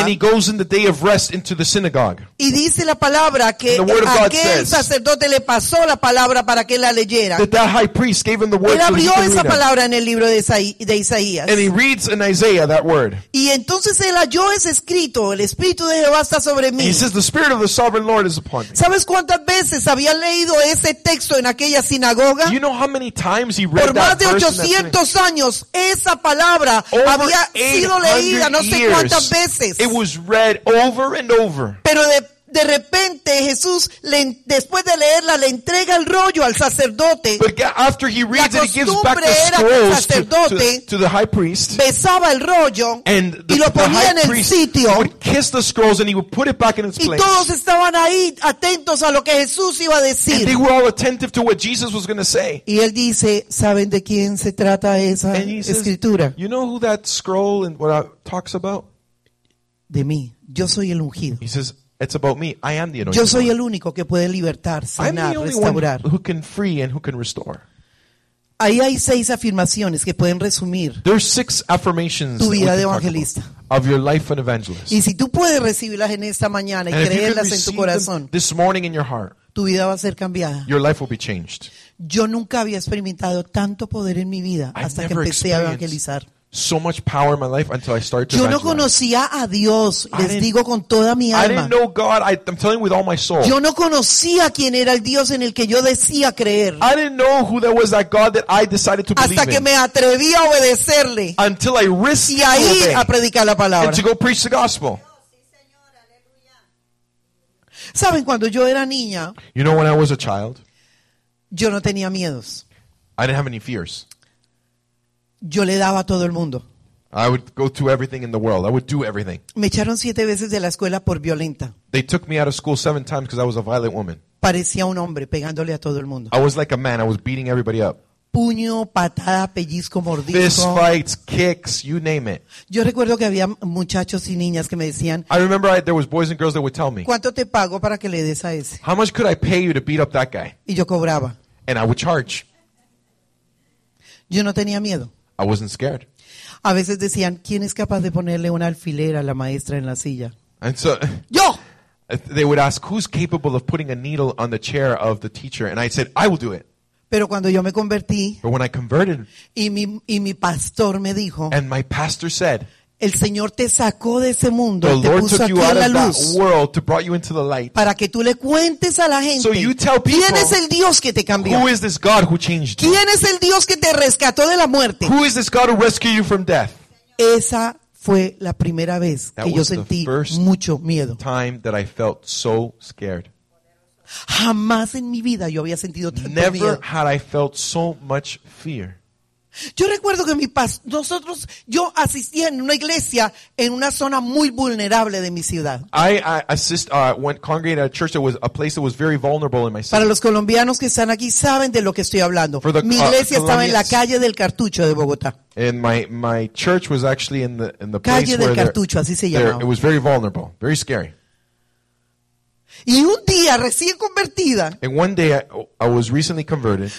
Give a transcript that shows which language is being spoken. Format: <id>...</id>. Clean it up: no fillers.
<en>And he goes in the day of rest into the synagogue.</en> <es>Y dice la palabra que aquel sacerdote le pasó la palabra para que la leyera.</es> <en>The high priest gave him the word.</en> <es>Él abrió</es> <en>so</en> <es>esa palabra en el libro de Isaías.</es> <en>And he reads in Isaiah that word.</en> <es>Y entonces él halló ese escrito, el Espíritu de Jehová está sobre mí.</es> <en>And he says the Spirit of the Sovereign Lord is upon me.</en> <es>¿Sabes cuántas veces había leído ese texto en aquella sinagoga?</es> <en>You know how many times he read</en> <es>por más de 800 años esa palabra</es> <en>over</en> <es>había sido leída no sé cuántas veces.</es> <en>It was read over and over.</en> <es>Pero de De repente Jesús le, después de leerla le entrega el rollo al sacerdote. Porque</es> <en>after he reads it, he gives back the scroll to the high priest.</en> <es>Besaba el rollo y lo ponía en el sitio.</es> <en>Would kiss the scrolls and he would put it back in its place.</en> <es>Y todos estaban ahí atentos a lo que Jesús iba a decir.</es> <en>And they were all attentive to what Jesus was going to say.</en> <es>Y él dice, ¿saben de quién se trata esa escritura?</es> <en>Says, you know who that scroll and what talks about?</en> <es>De mí. Yo soy el ungido.</es> <en>He says, it's about me. I am the anointed.</en> <es>Yo soy el único que puede libertar, sanar, restaurar.</es> <en>Who can free and who can restore.</en> <es>Ahí hay seis afirmaciones que pueden resumir</es> <en>six affirmations</en> <es>tu vida de evangelista.</es> <en>Of your life and evangelist.</en> <es>Y si tú puedes recibirlas en esta mañana y</es> <en>and</en> <es>creerlas en tu corazón,</es> <en>this morning in your heart,</en> <es>tu vida va a ser cambiada.</es> <en>Your life will be changed.</en> <es>Yo nunca había experimentado tanto poder en mi vida hasta que empecé a evangelizar.</es> <en>So much power in my life until I started to evangelize.</en> <es>Yo no conocía a Dios, les digo con toda mi alma.</es> <en>I didn't know God, I'm telling you with all my soul.</en> <es>Yo no conocía quién era el Dios en el que yo decía creer.</es> <en>I didn't know who that was, that God that I decided to believe in.</en> <es>Hasta que me atreví a obedecerle.</es> <en>Until I risked</en> <es>y a ir a predicar la palabra.</es> <en>And to go preach the gospel.</en> <es>¿Saben cuando yo era niña?</es> <en>You know when I was a child?</en> <es>Yo no tenía miedos.</es> <en>I didn't have any fears.</en> <es>Yo le daba a todo el mundo.</es> <en>I would go to everything in the world. I would do everything.</en> <es>Me echaron 7 veces de la escuela por violenta.</es> <en>They took me out of school 7 times because I was a violent woman.</en> <es>Parecía un hombre pegándole a todo el mundo.</es> <en>I was like a man. I was beating everybody up.</en> <es>Puño, patada, pellizco, mordisco.</es> <en>Fist fights, kicks, you name it.</en> <es>Yo recuerdo que había muchachos y niñas que me decían,</es> <en>I remember there was boys and girls that would tell me,</en> <es>¿cuánto te pago para que le des a ese?</es> <en>How much could I pay you to beat up that guy?</en> <es>Y yo cobraba.</es> <en>And I would charge.</en> <es>Yo no tenía miedo.</es> <en>I wasn't scared.</en> <es>A veces decían, ¿quién es capaz de ponerle un alfiler a la maestra en la silla?</es> <en>And so,</en> <es>yo.</es> <en>They would ask, who's capable of putting a needle on the chair of the teacher? And I said, I will do it.</en> <es>Pero cuando yo me convertí,</es> <en>but when I converted,</en> <es>y mi pastor me dijo,</es> <en>and my pastor said,</en> <es>el Señor te sacó de ese mundo,</es> <en>the Lord</en> <es>te puso</es> <en>took you</en> <es>aquí</es> <en>out</en> <es>a la luz,</es> <en>of that world to brought you into the light,</en> <es>para que tú le cuentes a la gente,</es> <en>so you tell people,</en> <es>¿quién es el Dios que te cambió?</es> <en>Who is this God who changed you?</en> <es>¿Quién es el Dios que te rescató de la muerte?</es> <en>Who is this God who rescued you from death?</en> <es>Esa fue la primera vez que yo sentí mucho miedo.</es> <en>Time that I felt so scared.</en> <es>Jamás en mi vida yo había sentido tanto</es> <en>never</en> <es>miedo.</es> <en>Had I felt so much fear.</en> <es>Yo recuerdo que yo asistía en una iglesia en una zona muy vulnerable de mi ciudad.</es> <en>I congregated at a church that was a place that was very vulnerable in my city.</en> <es>Para los colombianos que están aquí saben de lo que estoy hablando. Mi iglesia estaba en la calle del Cartucho de Bogotá.</es> <en>And my church was actually in the</en> <es>calle</es> <en>place</en> <es>del Cartucho, así se llamaba.</es> <en>It was very vulnerable, very scary.</en> <es>Y un día recién convertida.</es> <en>And one day I was recently converted.</en>